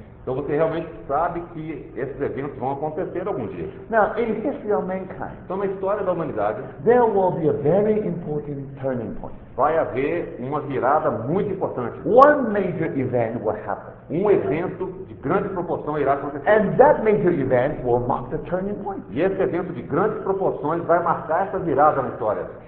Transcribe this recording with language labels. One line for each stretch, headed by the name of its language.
Portuguese: Então você realmente sabe que esses eventos vão acontecer algum dia.
English: Now, in history of mankind,
Portuguese: então, na história da humanidade,
English: there will be a very important turning point.
Portuguese: Vai haver uma virada muito importante.
English: One major event will happen.
Portuguese: Um evento de grande proporção irá acontecer.
English: And that major event will mark the turning point.
Portuguese: E esse evento de grandes proporções vai marcar essa virada na história.